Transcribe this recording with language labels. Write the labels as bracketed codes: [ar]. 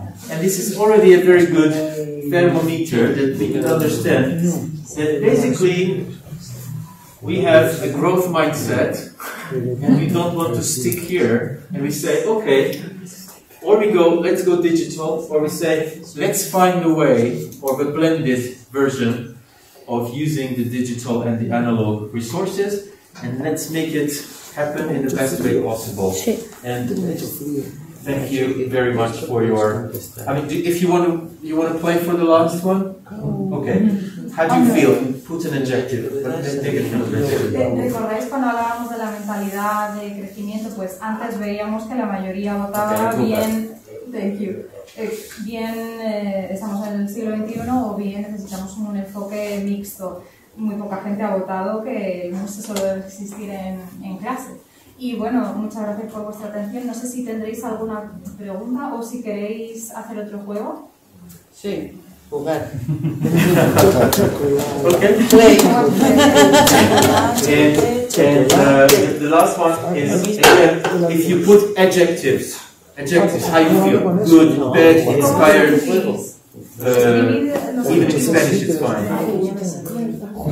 [en] And this is already a very good thermometer that we can understand that basically we have a growth mindset and we don't want to stick here and we say, okay, or we go, let's go digital, or we say, let's find a way or the blended version of using the digital and the analog resources and let's make it happen in the best way possible. And thank you very much for your, I mean, if you want to play for the last one? Okay. How do you feel? Put an adjective. [es] ¿Recordáis cuando hablábamos de la mentalidad de crecimiento? Pues antes veíamos que la mayoría votaba bien, [en] thank you, [es] bien estamos en el siglo XXI o bien necesitamos un enfoque mixto. Muy poca gente ha votado que no se solo debe existir en clase. Y bueno, muchas gracias por vuestra atención. No sé si tendréis alguna pregunta o si queréis hacer otro juego. Sí, jugar. [en] Okay. Play. And the last one is, again, if you put adjectives, how you feel, good, bad, inspired, even in Spanish it's fine.